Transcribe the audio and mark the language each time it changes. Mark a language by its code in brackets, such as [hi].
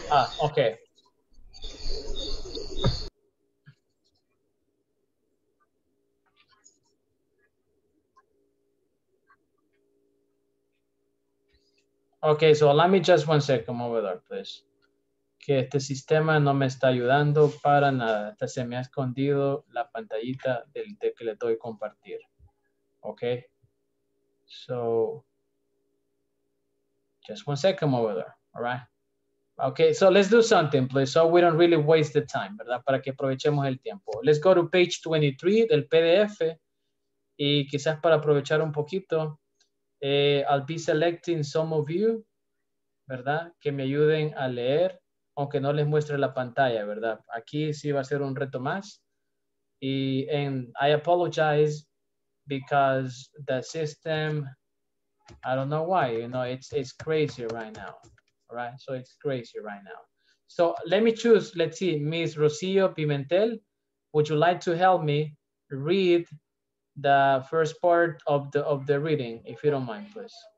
[en] Ah, okay. Okay, so let me just one second over there, please. [es] Que este sistema no me está ayudando para nada. Hasta se me ha escondido la pantallita del de que le doy compartir. Okay. [en] So, just one second over there. All right. Okay, so let's do something, please, so we don't really waste the time, [es] ¿verdad? Para que aprovechemos el tiempo. [en] Let's go to page 23 [es] del PDF. Y quizás para aprovechar un poquito, [en] I'll be selecting some of you, [es] ¿verdad? Que me ayuden a leer, aunque no les muestre la pantalla, ¿verdad? Aquí sí va a ser un reto más. [en] Y and I apologize because the system, I don't know why, you know, it's crazy right now. Right, so it's crazy right now. So let me choose, let's see, Ms. Rocio Pimentel, would you like to help me read the first part of the reading, if you don't mind, please?